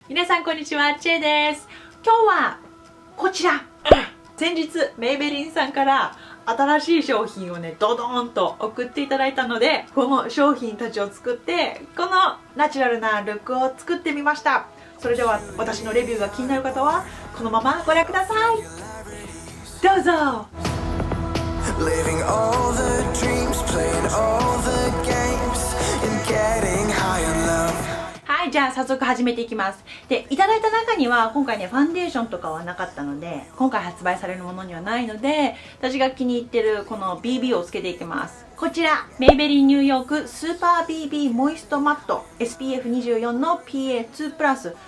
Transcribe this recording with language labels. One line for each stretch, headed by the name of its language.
Japanese: 皆さんこんにちは、チェです。今日はこちら先日メイベリンさんから新しい商品をねドドーンと送っていただいたので、この商品たちを作ってこのナチュラルなルックを作ってみました。それでは私のレビューが気になる方はこのままご覧ください。どうぞ。
English: Living all the dreams, playing all the games, and getting high on love.
Japanese: はい、じゃあ早速始めていきます。で、いただいた中には今回ねファンデーションとかはなかったので、今回発売されるものにはないので、私が気に入ってるこの BB をつけていきます。こちらメイベリンニューヨークスーパー BB モイストマット SPF24 の PA2+。